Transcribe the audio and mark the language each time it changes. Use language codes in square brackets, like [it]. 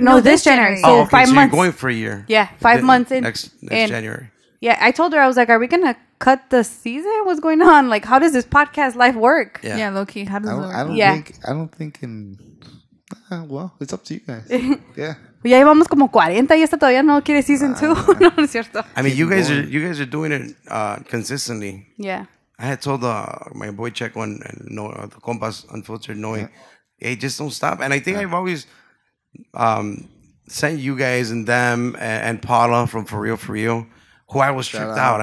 [en] No, this January. So 5 months. So you're going for a year. Yeah, 5 months in. Next January. Yeah, I told her, I was like, are we going to cut the season? What's going on? Like, how does this podcast life work? Yeah low key. How does it work? I don't think it's up to you guys. Yeah. [es] Ya llevamos como 40 y esta todavía no quiere season 2. No es cierto. [en] I mean, you guys are doing it consistently. Yeah. I had told my boy Check One and the Compas Unfiltered Noy, hey, just don't stop. And I think I've always sent you guys and them and Paula from For Real. Who I was tripped out.